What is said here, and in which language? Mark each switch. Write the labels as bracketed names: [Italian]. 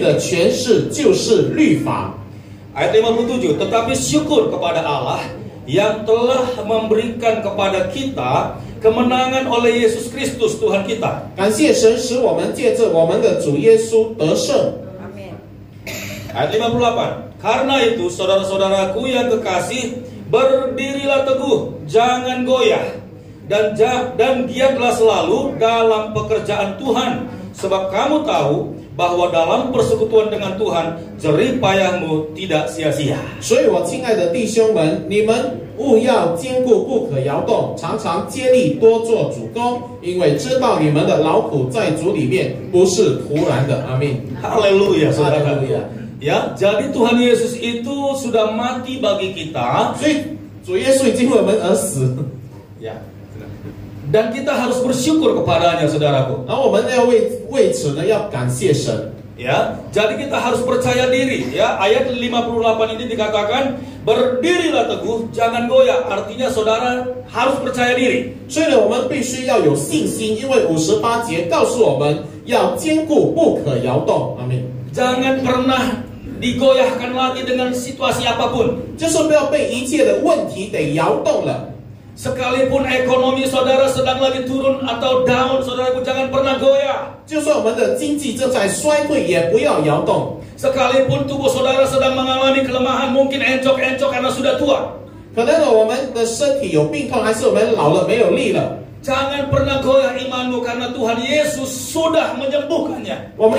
[Chinese] 死的毒钩就是罪，罪的权势就是律法. [Indonesian] Ayat 57, tetapi syukur kepada Allah yang telah memberikan kepada kita kemenangan oleh Yesus Kristus Tuhan kita. [Chinese] 感谢神使我们借着我们的主耶稣得胜. [Indonesian] Ayat 58, karena itu saudara-saudaraku yang kekasih, berdirilah teguh, jangan goyah, dan giatlah selalu dalam pekerjaan Tuhan, sebab kamu tahu bahwa dalam persekutuan dengan Tuhan, jerih payahmu tidak sia-sia. [Chinese] 所以我亲爱的弟兄们, 你们务要坚固不可摇动, 常常接力多做主工, 因为知道你们的劳苦在主里面, 不是徒然的, amin. [Indonesian] Haleluya, saudara. Haleluya. Ya, jadi Tuhan Yesus itu sudah mati bagi kita. [Chinese] 所以主耶稣已经为我们而死。 [Indonesian] Ya. Dan kita harus bersyukur kepadanya, saudaraku. [Chinese] 然后我们要为此呢要感谢神。 [Indonesian] Ya, jadi kita harus percaya diri. Ya, ayat 58 ini dikatakan berdirilah teguh, jangan goyah. Artinya saudara harus percaya diri. [Chinese] 所以我们必须要有信心, 因为58节告诉我们要坚固不可摇动. [Indonesian] Amin. Jangan pernah digoyahkan lagi dengan situasi apapun. [Chinese] 就是不要被一切的问题给摇动了. [Indonesian] Sekalipun ekonomi saudara sedang lagi turun atau down, saudaraku jangan pernah goyah. [Chinese] 就算我们的经济正在衰退，也不要摇动. [Indonesian] Sekalipun tubuh saudara sedang mengalami kelemahan, mungkin encok-encok karena sudah tua. [Chinese] 可能我们的身体有病痛，还是我们老了没有力了. [Indonesian] Jangan pernah goyah imanmu karena Tuhan Yesus sudah menyembuhkannya.